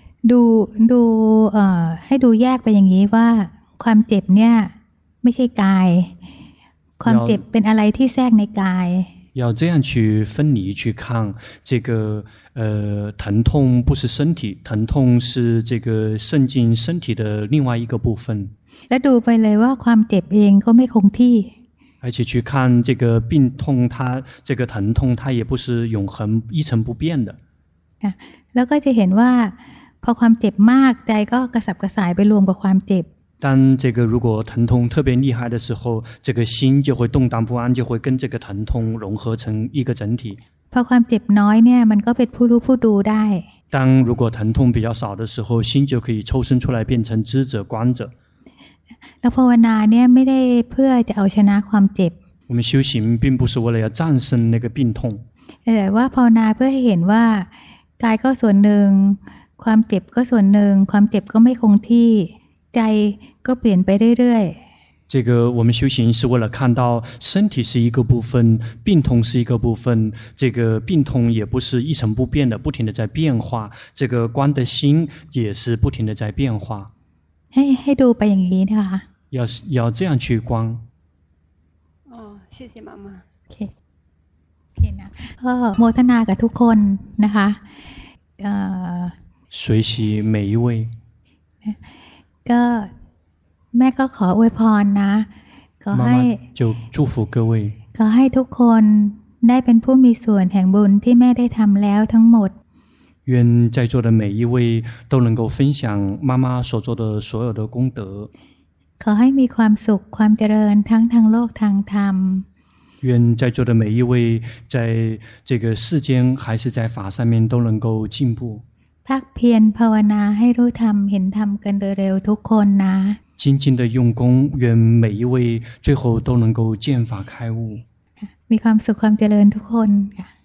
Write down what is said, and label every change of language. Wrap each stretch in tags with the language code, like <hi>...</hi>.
<th>ดูให้ดูแยกไปอย่างนี้ว่าความเจ็บเนี่ยไม่ใช่กายความเจ็บเป็นอะไรที่แทรกในกาย</th> <zh>要这样去分离去看这个疼痛不是身体，疼痛是这个渗进身体的另外一个部分。</zh> <th>แล้วดูไปเลยว่าความเจ็บเองก็ไม่คงที่</th> <zh>。而且去看这个病痛它这个疼痛它也不是永恒一成不变的。</zh> <th>แล้วก็จะเห็นว่าพอความเจ็บมากใจก็กระสับกระส่ายไปรวมกับความเจ็บ。</th> <zh>当这个如果疼痛特别厉害的时候，这个心就会动荡不安，就会跟这个疼痛融合成一个整体。</zh> <th>พอความเจ็บน้อยเนี่ยมันก็เป็นผู้รู้ผู้ดูได้。</th> <zh>当如果疼痛比较少的时候，心就可以抽身出来变成知者观者。</zh> <th>แล้วภาวนาเนี่ยไม่ได้เพื่อจะเอาชนะความเจ็บ。</th> <zh>我们修行并不是为了要战胜那个病痛。</zh> <th>แต่ว่าภาวนาเพื่อให้เห็นว่ากายก็ส่วนหนึ่งความเจ็บก็ส่วนหนึ่งความเจ็บก็ไม่คงที่ใจก็เปลี่ยนไปเรื่อย</th> <zh>ๆ这个我们修行是为了看到身体是一个部分，病痛是一个部分，这个病痛也不是一成不变的，不停的在变化，这个观的心也是不停的在变化。</zh> <th>ให้ดูไปอย่างนี้นะคะ</th> <zh>要这样去观。哦，谢谢妈妈。</zh> <th>โอเคนะก็โมทนากับทุกคนนะคะ</th> <zh>随喜每一位。</zh> <th>ก็แม่ก็ขออวยพรนะขอให้</th> <zh>就祝福各位</zh> <th>ขอให้ทุกคนได้เป็นผู้มีส่วนแห่งบุญที่แม่ได้ทำแล้วทั้งหมด</th> <zh>愿在座的每一位都能够分享妈妈所做的所有的功德</zh> <th>ขอให้มีความสุขความเจริญทั้งทางโลกทางธรรม</th> <zh>愿在座的每一位在这个世间还是在法上面都能够进步</zh> <th>พักเพียรภาวนาให้รู้ธรรมเห็นธรรมกันเร็วๆทุกคนนะ</th> <zh>精进的用功愿每一位最后都能够见法开悟</zh> <th>มีความสุขความเจริญทุกคนค่ะ</th>